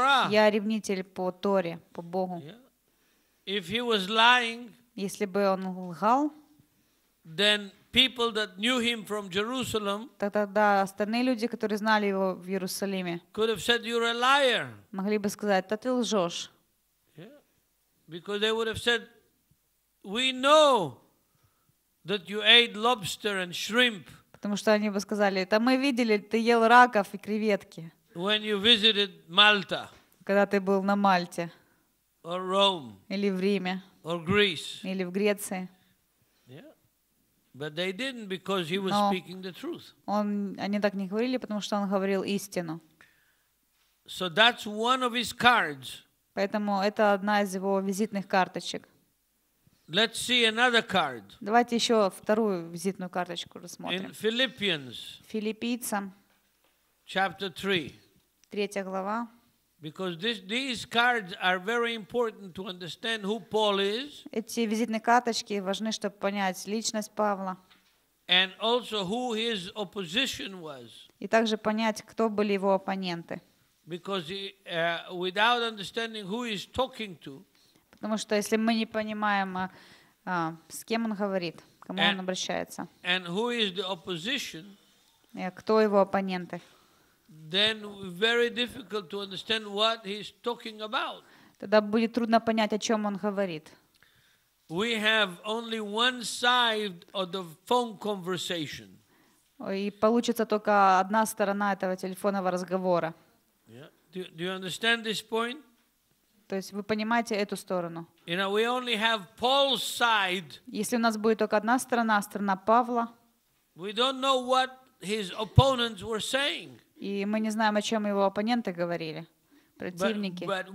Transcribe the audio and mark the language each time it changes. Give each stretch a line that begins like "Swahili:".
Russian: Я ревнитель по Торе, по Богу. Если бы он лгал,
English: people that knew him from Jerusalem,
Russian: тогда остальные люди, которые знали его в Иерусалиме,
English: could have said you're a liar.
Russian: Могли бы сказать, да ты лжешь.
English: Because they would have said, we know that you ate lobster and shrimp.
Russian: Потому что они бы сказали, да мы видели, ты ел раков и креветки.
English: When you visited Malta.
Russian: Когда ты был на Мальте.
English: Or Rome.
Russian: Или в Риме.
English: Or Greece.
Russian: Или в Греции.
English: But they didn't, because he was speaking the truth.
Russian: Они так не говорили, потому что он говорил истину.
English: So that's one of his cards.
Russian: Поэтому это одна из его визитных карточек.
English: Let's see another card.
Russian: Давайте еще вторую визитную карточку рассмотрим.
English: In Philippians.
Russian: Филиппийцам.
English: Chapter 3.
Russian: Третья глава.
English: Because these cards are very important to understand who Paul is.
Russian: Эти визитные карточки важны, чтобы понять личность Павла.
English: And also who his opposition was.
Russian: И также понять, кто были его оппоненты.
English: Because without understanding who he's talking to.
Russian: Потому что если мы не понимаем, с кем он говорит, кому он обращается.
English: And who is the opposition?
Russian: Кто его оппоненты?
English: Then very difficult to understand what he's talking about.
Russian: Тогда будет трудно понять, о чем он говорит.
English: We have only one side of the phone conversation.
Russian: И получится только одна сторона этого телефонного разговора.
English: Do you understand this point?
Russian: То есть вы понимаете эту сторону?
English: You know, we only have Paul's side.
Russian: Если у нас будет только одна сторона, сторона Павла.
English: We don't know what his opponents were saying.
Russian: И мы не знаем, о чем его оппоненты говорили, противники.